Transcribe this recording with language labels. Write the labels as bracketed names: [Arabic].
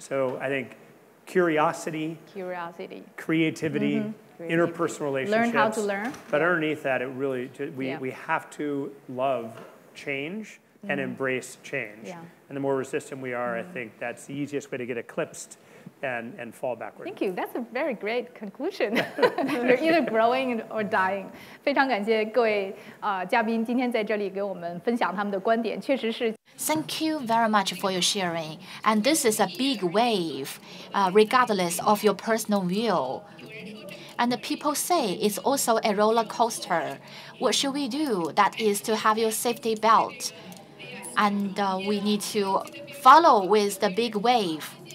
[English] So I think curiosity. Creativity. Mm-hmm. Interpersonal relationships. Learn how to learn. But underneath that, we have to love change and embrace change. Yeah. And the more resistant we are, I think that's the easiest way to get eclipsed and fall backward. Thank you. That's a very great conclusion. You're either growing or dying. [Chinese] 非常感谢各位嘉宾今天在这里给我们分享他们的观点，确实是。 [English] Thank you very much for your sharing. And this is a big wave, regardless of your personal view. And the people say it's also a roller coaster. What should we do? That is to have your safety belt. And we need to follow with the big wave.